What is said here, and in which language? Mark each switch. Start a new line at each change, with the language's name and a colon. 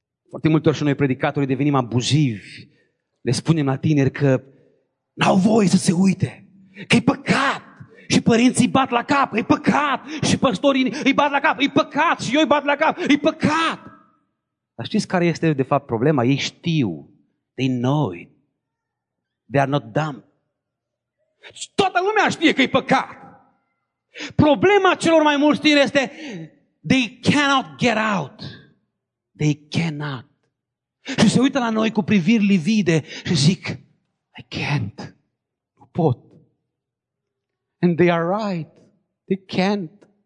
Romanian: Foarte multe ori și noi predicatorii devenim abuzivi. Le spunem la tineri că n-au voie să se uite, că e păcat și părinții îi bat la cap, e păcat și păstorii îi bat la cap, e păcat și eu îi bat la cap, e păcat. Dar știți care este de fapt problema? Ei știu,
English: they know it, they are not dumb.
Romanian: Toată lumea știe că e păcat. Problema celor mai mulți tineri este
English: They cannot get out. They cannot.
Romanian: Și se uită la noi cu priviri livide și zic,
English: I can't.
Romanian: Nu pot.
English: And they are right. They can't.